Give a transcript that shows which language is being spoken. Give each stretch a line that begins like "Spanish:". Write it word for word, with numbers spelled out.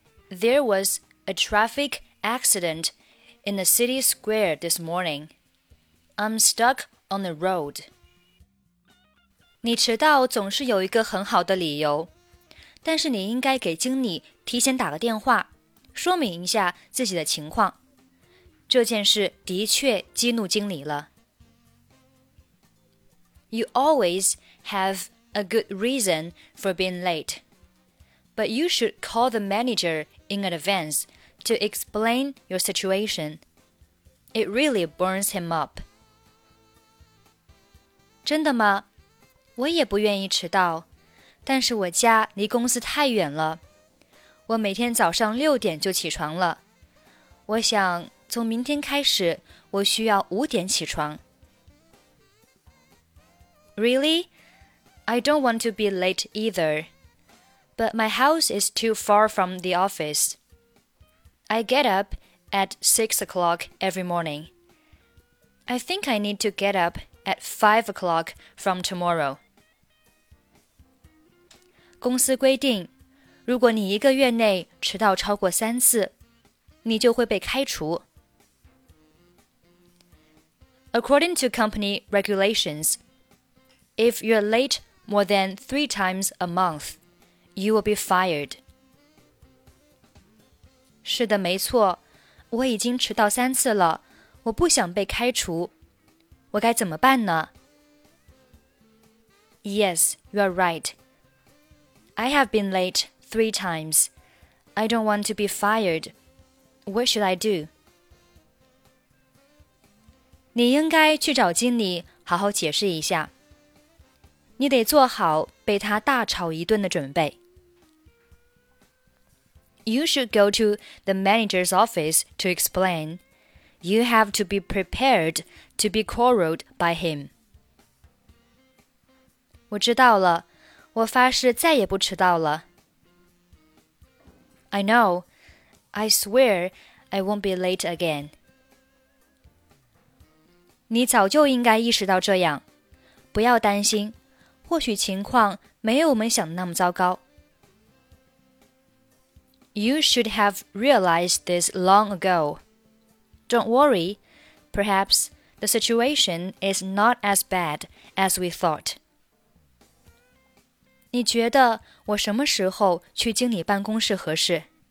English: There was a traffic accident in the city square this morning. I'm stuck on the road.
Chinese: 你迟到总是有一个很好的理由，但是你应该给经理提前打个电话，说明一下自己的情况。这件事的确激怒经理了。
English: You always have a good reason for being late, but you should call the manager in advance to explain your situation. It really burns him up.
Chinese: 真的吗？我也不愿意迟到，但是我家离公司太远了。我每天早上六点就起床了。我想从明天开始，我需要五点起床。
English: Really? I don't want to be late either. But my house is too far from the office. I get up at six o'clock every morning. I think I need to get up at five o'clock from tomorrow.
Chinese: 公司规定，如果你一个月内迟到超过三次，你就会被开除。
English: According to company regulations, if you're late more than three times a month, you will be fired.
Chinese: 是的，没错，我已经迟到三次了，我不想被开除，我该怎么办呢？
English: Yes, you are right. I have been late three times. I don't want to be fired. What should I do?
Chinese: 你应该去找经理好好解释一下，你得做好被他大吵一顿的准备。
English: You should go to the manager's office to explain. You have to be prepared to be quarreled by him.
Chinese: 我知道了，我发誓再也不迟到了。
English: I know. I swear I won't be late again.
Chinese: 你早就应该意识到这样，不要担心，或许情况没有我们想的那么糟糕。
English: You should have realized this long ago. Don't worry, perhaps the situation is not as bad as we thought.
Chinese: 你觉得我什么时候去经理办公室合适？